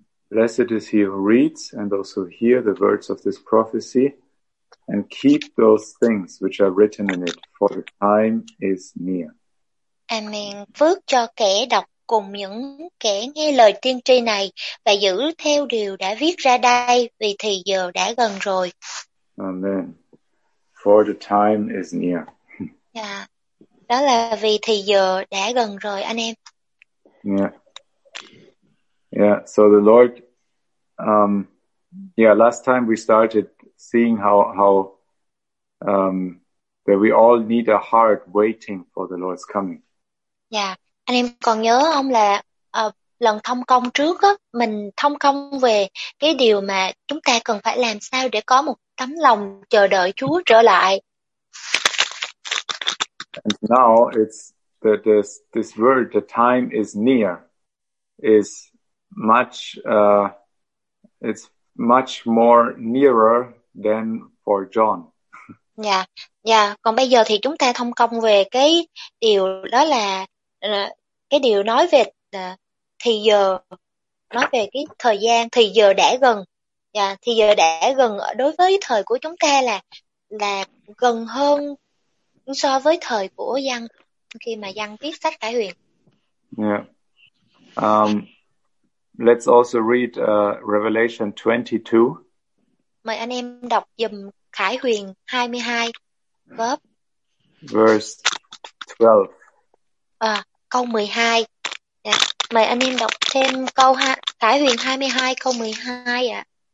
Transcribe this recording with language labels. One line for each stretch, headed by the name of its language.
English: Blessed is he who reads and also hear the words of this prophecy and keep those things which are written in it, for the time is near. Amen.
Vietnamese: Phước cho kẻ đọc cùng những kẻ nghe lời tiên tri này và giữ theo điều đã viết ra đây, vì thì giờ đã gần rồi.
English: Amen. For the time is near.
Vietnamese: Đó là vì thì giờ đã gần rồi anh em.
English: Yeah. Yeah, so the Lord yeah, last time we started seeing how that we all need a heart waiting for the Lord's coming.
Vietnamese: Yeah, anh em còn nhớ không là lần thông công trước á, mình thông công về cái điều mà chúng ta cần phải làm sao để có một tấm lòng chờ đợi Chúa trở lại.
English: And now it's that this word, the time is near, is much it's much more nearer than for John. Yeah.
Vietnamese: Còn bây giờ thì chúng ta thông công về cái điều đó là cái điều nói về thì giờ, nói về cái thời gian thì giờ đã gần. Yeah, thì giờ đã gần đối với thời của chúng ta là gần hơn so với thời của Giăng khi mà Giăng viết sách Cải Huyền.
English: Yeah. Let's also read Revelation 22.
Vietnamese: Mời anh em đọc giùm Khải Huyền 22 góp.
English: Verse 12.
Vietnamese: À, câu 12. Dạ. Mời anh em đọc thêm câu Khải Huyền 22 câu 12 ạ.